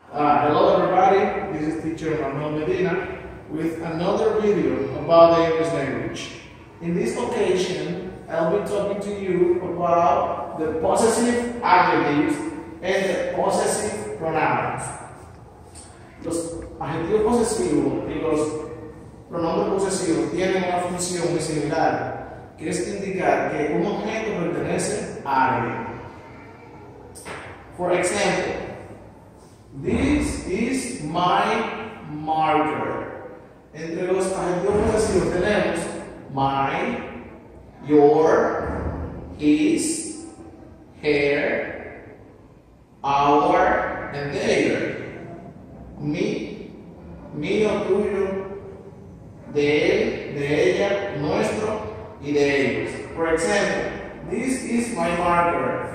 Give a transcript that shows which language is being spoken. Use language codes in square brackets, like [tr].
[en] Hello everybody, this is teacher Manuel Medina with another video about the English language. In this occasion, I'll be talking to you about the possessive adjectives and the possessive pronouns. [es] Los adjetivos posesivos y los pronombres posesivos tienen una función muy similar, que es indicar que un objeto pertenece a alguien. [en] For example, this is my marker. [es] Entre los adjetivos posesivos tenemos [en] my, your, his, her, our, and their. [es] Mi, mío, tuyo, de él, de ella, nuestro, y de ellos. [en] For example, this is my marker.